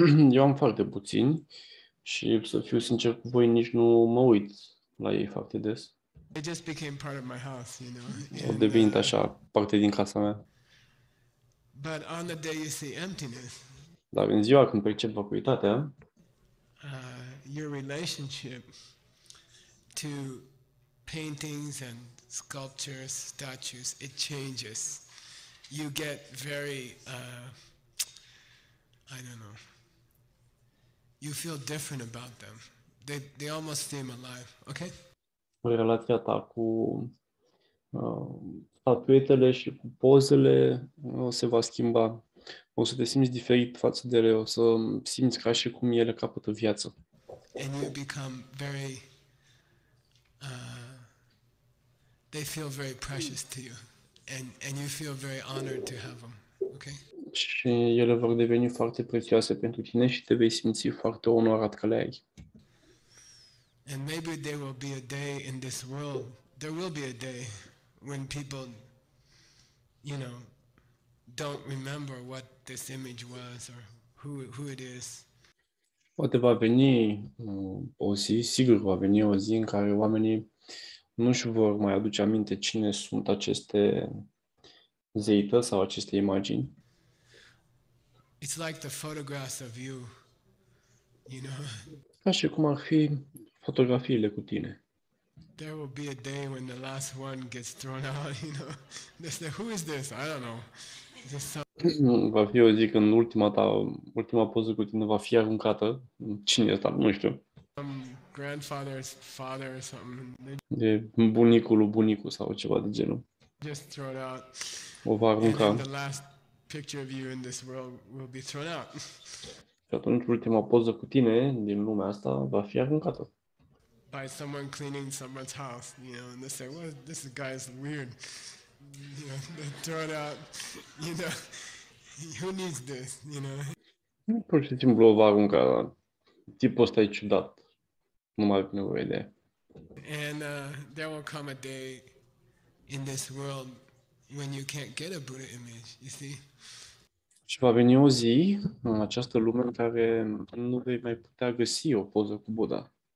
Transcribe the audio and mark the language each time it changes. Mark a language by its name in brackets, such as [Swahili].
[Romanian] Eu am foarte puțini și să fiu sincer cu voi, nici nu mă uit la ei foarte des. [English] They just became part of my house, you know. [Romanian] Au devenit așa, parte din casa mea. [English] But on the day you see emptiness. [Romanian] Dar în ziua când percep vacuitatea, [English] your relationship to paintings and sculptures, statues, it changes. You get very I don't know. You feel different about them. They almost seem alive, okay? [Romanian] Relația ta cu statuetele și cu pozele se va schimba. O să te simți diferit față de ele, o să simți ca și cum ele capătă viață. [English] And you become very they feel very precious to you and you feel very honored to have them. Okay? [Romanian] Și ele vor deveni foarte prețioase pentru tine și te vei simți foarte onorat că le ai. [English] And maybe there will be a day in this world. There will be a day when people, you know, don't remember what this image was or who it is. [Romanian] Poate va veni o zi, sigur va veni o zi în care oamenii nu își vor mai aduce aminte cine sunt aceste zeități sau aceste imagini. [English] It's like the photographs of you, you know. [Romanian] Ca și cum ar fi fotografiile cu tine. [English] There will be a day when the last one gets thrown out, you know. They say, who is this? I don't know. Just some... [Romanian] Va fi o zi când ultima poză cu tine va fi aruncată. Cine este asta? Nu știu. [English] Grandfather's father or something. [Romanian] De bunicul lui bunicu sau ceva de genul. [English] Just throw it out. [Romanian] O va arunca. [English] And then the last picture of you in this world will be thrown out. [Romanian] Și atunci ultima poză cu tine din lumea asta va fi aruncată. [English] By someone cleaning someone's house, you know, and they say, "Well, this guy is weird." You know, they throw it out. You know, who needs this? You know. [Romanian] Pur și simplu o va arunca. Tipul ăsta e ciudat. Nu mai are nevoie de. [English] And there will come a day in this world when you can't get a Buddha image, you see? [Romanian] Și va veni o zi în această lume în care nu vei mai putea găsi o poză cu Buddha.